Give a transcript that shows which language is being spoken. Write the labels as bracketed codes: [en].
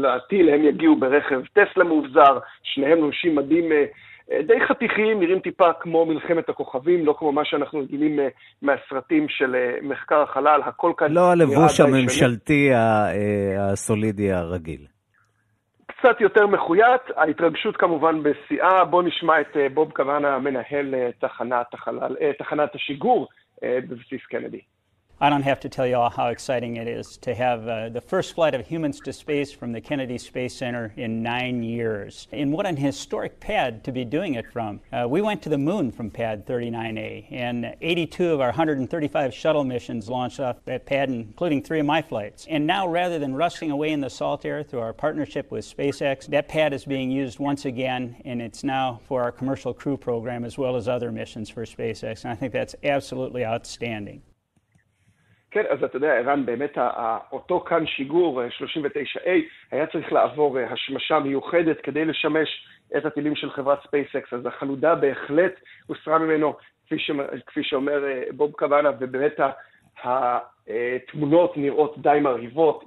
[he] לטיל הם יגיעו ברכב טסלה מובזר, שניהם לובשים מדים די חתיכים, נראים טיפה כמו מלחמת הכוכבים, לא כמו מה שאנחנו רגילים מהסרטים של מחקר החלל, הכל כאן... לא הלבוש הממשלתי הסולידי הרגיל. קצת יותר מחויית, ההתרגשות כמובן בשיאה. בוא נשמע את בוב קוואנה, מנהל תחנת השיגור בבסיס קנדי. [en] I don't have to tell you all how exciting it is to have the first flight of humans to space from the Kennedy Space Center in 9 years. And what an historic pad to be doing it from. We went to the moon from pad 39A, and 82 of our 135 shuttle missions launched off that pad, including 3 of my flights. And now, rather than rusting away in the salt air through our partnership with SpaceX, that pad is being used once again, and it's now for our commercial crew program as well as other missions for SpaceX. And I think that's absolutely outstanding. [he] כן, אז אתה יודע, ערן, באמת אותו כאן שיגור 39A היה צריך לעבור השמשה מיוחדת כדי לשמש את הטילים של חברת ספייסקס, אז החלודה בהחלט הוסרה ממנו, כפי שאומר בוב קוואנה, ובאמת התמונות נראות די מרהיבות.